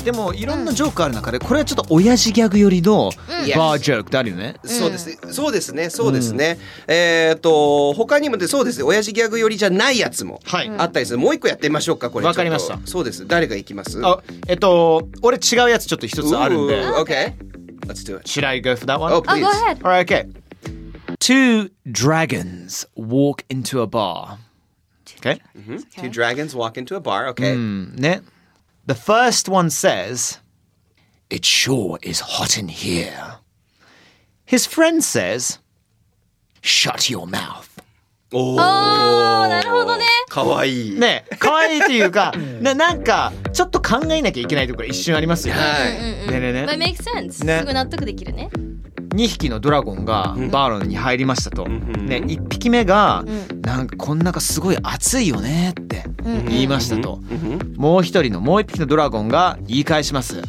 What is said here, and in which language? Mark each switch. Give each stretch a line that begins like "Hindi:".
Japanese: でもいろんなジョークある中で、これはちょっと親父ギャグ寄りのバージョークってあるよね。そうですね、そうですね、そうですね。他にもで、そうですね、親父ギャグ寄りじゃないやつもあったりする。もう一個やってみましょうか。これわかりました。そうです、誰がいきます？あ、俺違うやつちょっと一つあるんで。
English: OK, let's do it. Should I go for that one? Oh, please. Oh, go ahead. All right, OK. Two dragons walk into a bar. Okay. Mm-hmm. Two dragons walk into a bar. Okay. Net. The first one says, "It sure is hot in here." His friend says, "Shut your mouth." Oh,
Japanese: なるほどね。かわいい。ね、かわいいというか、なんかちょっと考えなきゃいけないところ一瞬ありますよね。はい。ねねね。
English: But it makes sense.
Japanese: ね。すぐ納得できるね。 2匹のドラゴンがバーロンに入りましたと、ね、1匹目がなんかこん中すごい暑いよねって言いましたと、もう1人のもう1匹のドラゴンが言い返します。